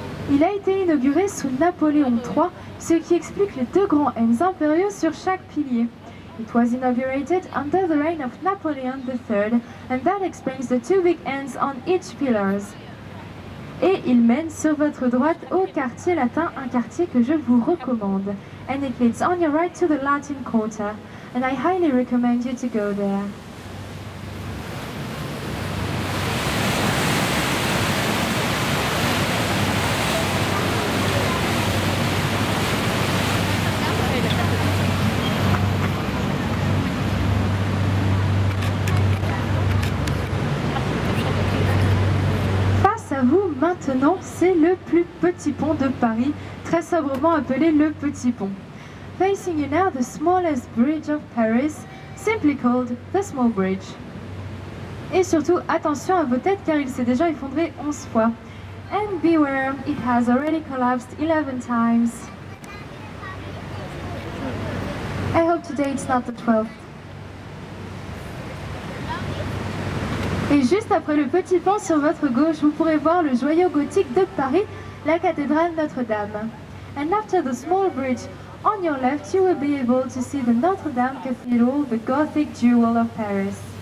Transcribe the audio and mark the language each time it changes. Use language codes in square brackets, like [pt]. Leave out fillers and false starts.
[fr] Il a été inauguré sous Napoléon III, ce qui explique les deux grands M's impériaux sur chaque pilier. [en] It was inaugurated under the reign of Napoleon III, and that explains the two big N's on each pillar. [fr] Et il mène sur votre droite au quartier latin, un quartier que je vous recommande. [en] And it leads on your right to the Latin Quarter, and I highly recommend you to go there. [fr] Maintenant, c'est le plus petit pont de Paris, très sobrement appelé le Petit Pont. [en] Facing you now, the smallest bridge of Paris, simply called the Small Bridge. [fr] Et surtout, attention à vos têtes car il s'est déjà effondré 11 fois. [en] And beware, it has already collapsed 11 times. I hope today it's not the 12th. [fr] Et juste après le petit pont sur votre gauche, vous pourrez voir le joyau gothique de Paris, la cathédrale Notre-Dame. [en] And after the small bridge, on your left, you will be able to see the Notre-Dame Cathedral, the Gothic jewel of Paris.